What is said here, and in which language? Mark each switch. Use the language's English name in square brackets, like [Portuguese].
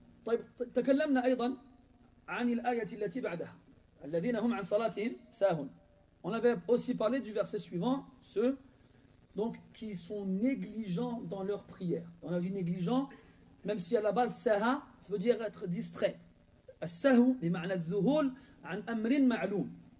[Arabic] طيب تكلمنا ايضا عن الايه التي بعدها الذين هم عن صلاتهم ساهون. [French] On avait aussi parlé du verset suivant, ceux donc qui sont négligents dans leur prière. On a dit négligent, même si à la base saha ça veut dire être distrait. [Arabic] السهو بمعنى الذهول عن أمر معلوم.